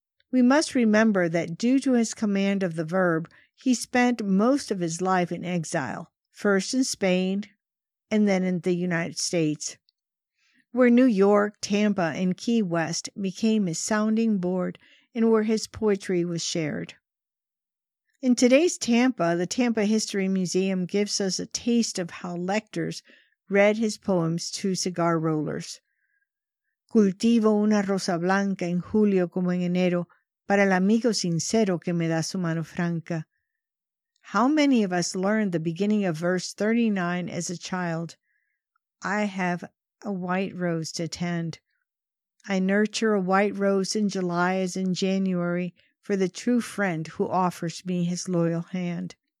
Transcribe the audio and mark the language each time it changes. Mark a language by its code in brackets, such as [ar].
[en] We must remember that due to his command of the verb, he spent most of his life in exile, first in Spain and then in the United States, where New York, Tampa, and Key West became his sounding board and where his poetry was shared. In today's Tampa, the Tampa History Museum gives us a taste of how lectors read his poems to cigar rollers. [es] Cultivo una rosa blanca en julio como en enero para el amigo sincero que me da su mano franca. [en] How many of us learned the beginning of verse 39 as a child? I have a white rose to tend. I nurture a white rose in July as in January, for the true friend who offers me his loyal hand.